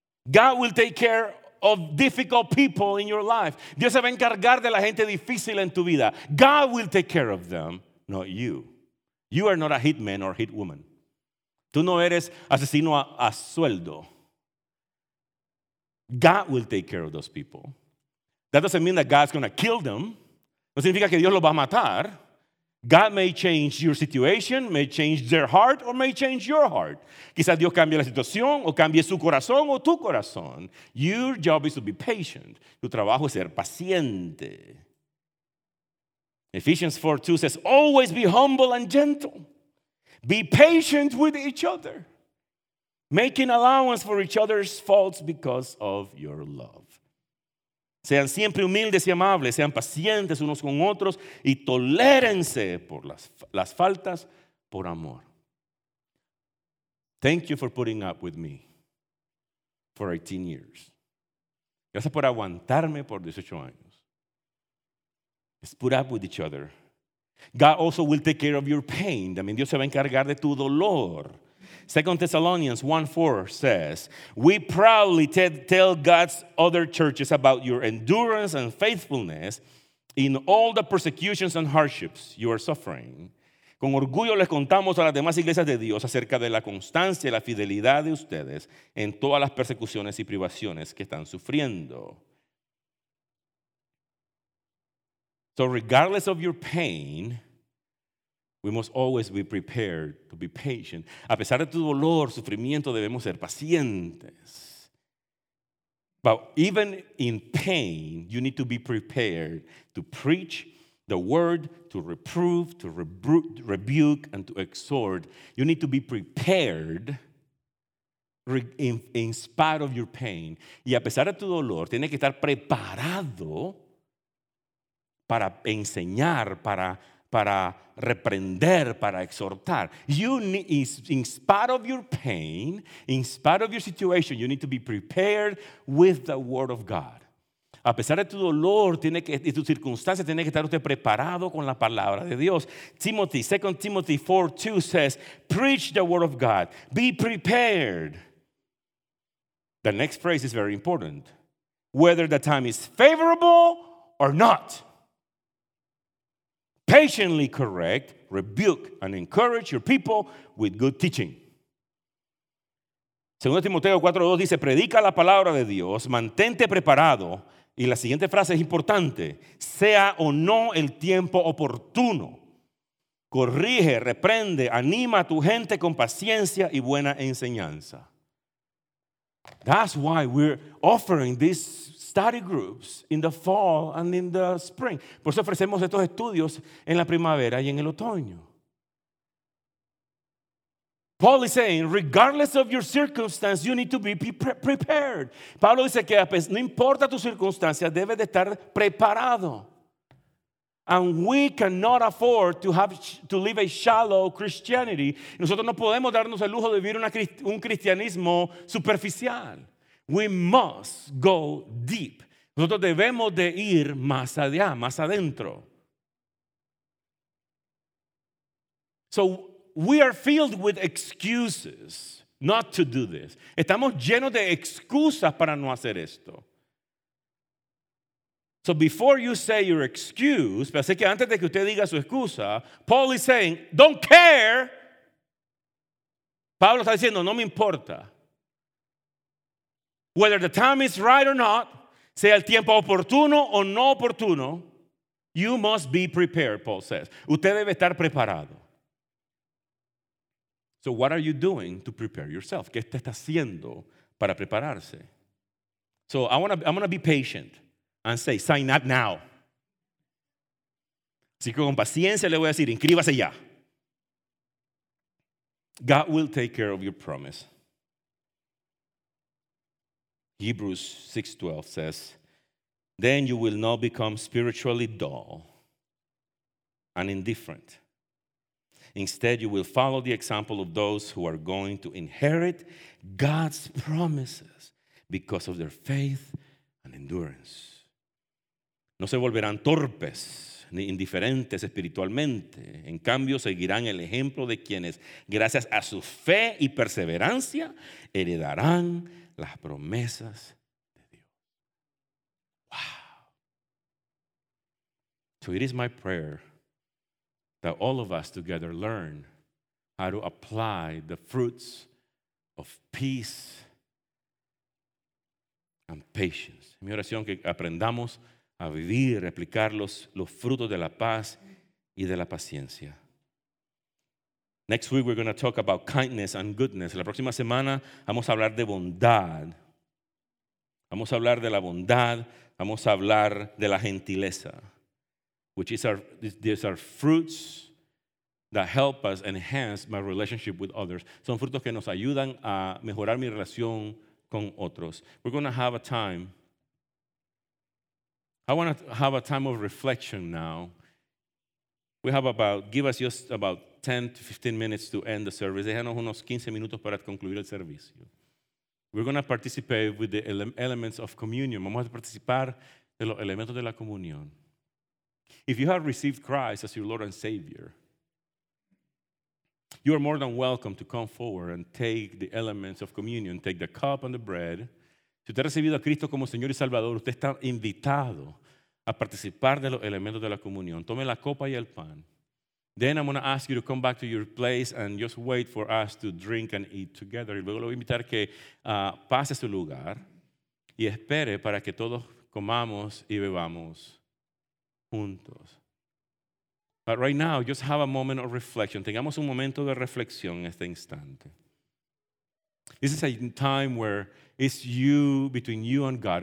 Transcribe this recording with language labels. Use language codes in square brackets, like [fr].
[en] God will take care of difficult people in your life. [es] Dios se va a encargar de la gente difícil en tu vida. [en] God will take care of them, not you. You are not a hitman or hitwoman. [es] Tú no eres asesino a sueldo. [en] God will take care of those people. That doesn't mean that God's going to kill them. [es] No significa que Dios los va a matar. [en] God may change your situation, may change their heart, or may change your heart. [es] Quizás Dios cambie la situación, o cambie su corazón, o tu corazón. [en] Your job is to be patient. [es] Tu trabajo es ser paciente. [en] Ephesians 4:2 says, always be humble and gentle. Be patient with each other, making allowance for each other's faults because of your love. [es] Sean siempre humildes y amables, sean pacientes unos con otros y tolérense por las faltas por amor. [en] Thank you for putting up with me for 18 years. [es] Gracias por aguantarme por 18 años. [en] Let's put up with each other. God also will take care of your pain. [es] También Dios se va a encargar de tu dolor. [en] 2 Thessalonians 1:4 says, we proudly tell God's other churches about your endurance and faithfulness in all the persecutions and hardships you are suffering. [es] Con orgullo les contamos a las demás iglesias de Dios acerca de la constancia y la fidelidad de ustedes en todas las persecuciones y privaciones que están sufriendo. [en] So regardless of your pain, we must always be prepared to be patient. [es] A pesar de tu dolor, sufrimiento, debemos ser pacientes. [en] But even in pain, you need to be prepared to preach the word, to reprove, to rebuke, and to exhort. You need to be prepared in spite of your pain. [es] Y a pesar de tu dolor, tienes que estar preparado para enseñar, para reprender, para exhortar. [en] You need, in spite of your pain, in spite of your situation, you need to be prepared with the word of God. [es] A pesar de tu dolor y tu circunstancia, tiene que estar usted preparado con la palabra de Dios. [en] Timothy, 2 Timothy 4:2 says, preach the word of God. Be prepared. The next phrase is very important. Whether the time is favorable or not. Patiently correct, rebuke, and encourage your people with good teaching. [es] 2 Timoteo 4:2 dice, predica la palabra de Dios, mantente preparado. Y la siguiente frase es importante. Sea o no el tiempo oportuno. Corrige, reprende, anima a tu gente con paciencia y buena enseñanza. [en] That's why we're offering this study groups in the fall and in the spring. [es] Por eso ofrecemos estos estudios en la primavera y en el otoño. [en] Paul is saying, regardless of your circumstance, you need to be prepared. [es] Pablo dice que no importa tu circunstancia, debes de estar preparado. [en] And we cannot afford to live a shallow Christianity. [es] Nosotros no podemos darnos el lujo de vivir un cristianismo superficial. [en] We must go deep. [es] Nosotros debemos de ir más allá, más adentro. So [en] We are filled with excuses not to do this. [es] Estamos llenos de excusas para no hacer esto. [en] So before you say your excuse, [es] pero así que antes de que usted diga su excusa, [en] Paul is saying, don't care. [es] Pablo está diciendo, no me importa. [en] Whether the time is right or not, [es] sea el tiempo oportuno o no oportuno, [en] you must be prepared, Paul says. [es] Usted debe estar preparado. [en] So what are you doing to prepare yourself? [es] ¿Qué usted está haciendo para prepararse? [en] So I'm going to be patient and say, sign up now. [es] Así que con paciencia le voy a decir, inscríbase ya. [en] God will take care of your promise. Hebrews 6:12 says, then you will not become spiritually dull and indifferent. Instead, you will follow the example of those who are going to inherit God's promises because of their faith and endurance. [es] No se volverán torpes ni indiferentes espiritualmente. En cambio, seguirán el ejemplo de quienes, gracias a su fe y perseverancia, heredarán las promesas de Dios. [en] Wow. So it is my prayer that all of us together learn how to apply the fruits of peace and patience. [es] Mi oración que aprendamos a vivir, a aplicar los frutos de la paz y de la paciencia. [en] Next week we're going to talk about kindness and goodness. [es] La próxima semana vamos a hablar de bondad. Vamos a hablar de la bondad, vamos a hablar de la gentileza. [en] Which is these are fruits that help us enhance my relationship with others. [es] Son frutos que nos ayudan a mejorar mi relación con otros. [en] We're going to have a time. I want to have a time of reflection now. We have about, give us just about 10 to 15 minutes to end the service. [es] Déjanos unos 15 minutos para concluir el servicio. [en] We're going to participate with the elements of communion. [es] Vamos a participar de los elementos de la comunión. [en] If you have received Christ as your Lord and Savior, you are more than welcome to come forward and take the elements of communion, take the cup and the bread. [es] Si usted ha recibido a Cristo como Señor y Salvador, usted está invitado a participar de los elementos de la comunión. Tome la copa y el pan. [en] Then I'm going to ask you to come back to your place and just wait for us to drink and eat together. [es] Y luego lo voy a invitar que pase a su lugar y espere para que todos comamos y bebamos juntos. [en] But right now, just have a moment of reflection. [es] Tengamos un momento de reflexión en este instante. [en] This is a time where it's you between you and God.